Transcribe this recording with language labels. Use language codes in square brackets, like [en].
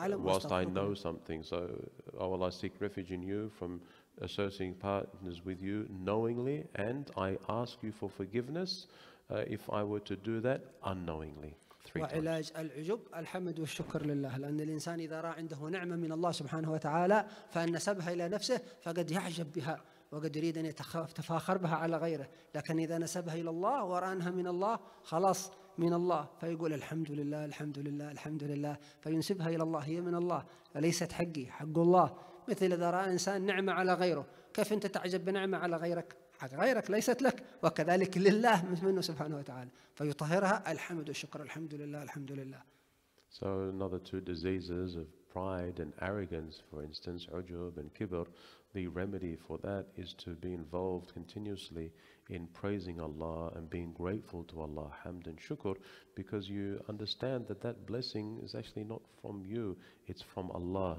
[en] Whilst I know something, so O Allah, I seek refuge in you from associating partners with you knowingly, and I ask you for forgiveness. If I were to do that unknowingly, [ar] وعلاج العجب الحمد والشكر لله لأن الإنسان إذا رأى عنده نعمة من الله سبحانه وتعالى فإن نسبها إلى نفسه فقد يعجب بها وقد يريد أن يتفاخر بها على غيره لكن إذا نسبها إلى الله ورأى أنها من الله خلاص من الله فيقول الحمد لله الحمد لله الحمد لله فينسبها إلى الله هي من الله ليست حقي حق الله مثل إذا رأى إنسان نعمة على غيره كيف أنت تعجب بنعمة على غيرك حق غيرك ليست لك وكذلك لله منه سبحانه وتعالى فيطهرها الحمد والشكر الحمد لله الحمد لله. [en] So another two diseases of pride and arrogance, for instance, عجب and كبر, the remedy for that is to be involved continuously in praising Allah and being grateful to Allah, hamd and shukr, because you understand that that blessing is actually not from you, it's from Allah.